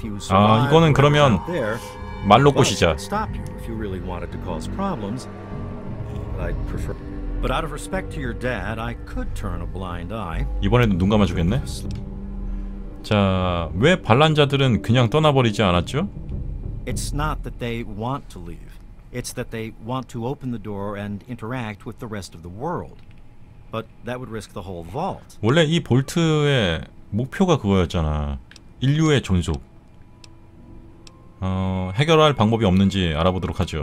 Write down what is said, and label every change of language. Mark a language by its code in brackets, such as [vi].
[ko] 아, 이거는 그러면 말로 꼬시자. [en] If you really wanted to cause problems, I'd prefer. But out of respect to your dad, I could turn a blind eye. [ko] 이번에도 눈 감아주겠네. 자, 왜 반란자들은 그냥 떠나버리지 않았죠? [en] It's not that they want to leave. It's that they want to open the door and interact with the rest of the world. But that would risk the whole vault. [ko] 원래 이 볼트의 목표가 그거였잖아. 인류의 존속. 해결할 방법이 없는지 알아보도록 하죠.